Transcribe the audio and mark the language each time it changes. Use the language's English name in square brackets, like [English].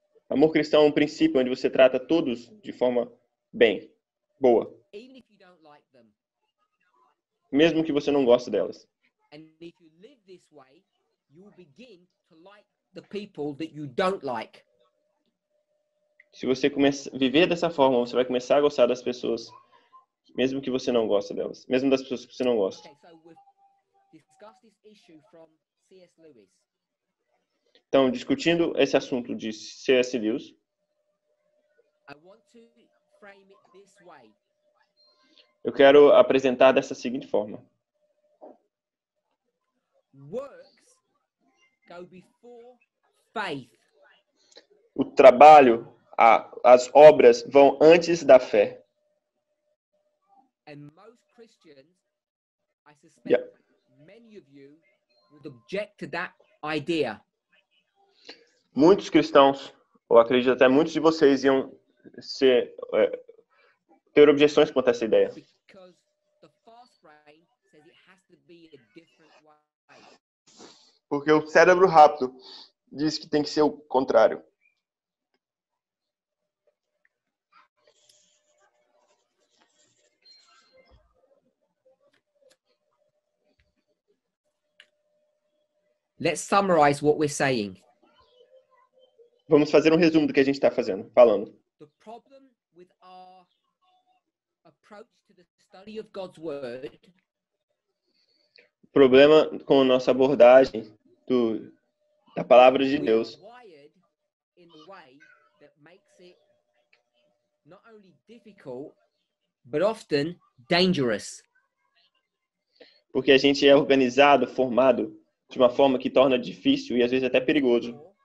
[Portuguese] Amor cristão é um princípio onde você trata todos de forma bem, boa. [English] Even if you don't like them. [Portuguese] Mesmo que você não goste delas. [English] And if you live this way, you will begin to like the people that you don't like. [Portuguese] Se você começar a viver dessa forma, você vai começar a gostar das pessoas, mesmo que você não goste delas, mesmo das pessoas que você não gosta. [English] Okay, so this issue from C.S. Lewis. [Portuguese] Então, discutindo esse assunto de C.S. Lewis, [English] I want to frame it this way. [Portuguese] Eu quero apresentar dessa seguinte forma. [English] Works go before faith. [Portuguese] O trabalho, as obras vão antes da fé. [English] And most Christians, I suspect, yeah. Many of you would object to that idea. [Portuguese] Muitos cristãos, ou acredito até muitos de vocês, iam ter objeções contra essa ideia. [English] Because the fast brain says it has to be a different way. [Portuguese] Porque o cérebro rápido diz que tem que ser o contrário. [English] Let's summarize what we're saying. [Portuguese] Vamos fazer um resumo do que a gente está fazendo, falando. [English] The problem with our approach to the study of God's word. [Portuguese] O problema com a nossa abordagem da palavra de Deus. [English] Wired in a way that makes it not only difficult, but often dangerous. [Portuguese] Porque a gente é organizado, formado de uma forma que torna difícil e às vezes até perigoso.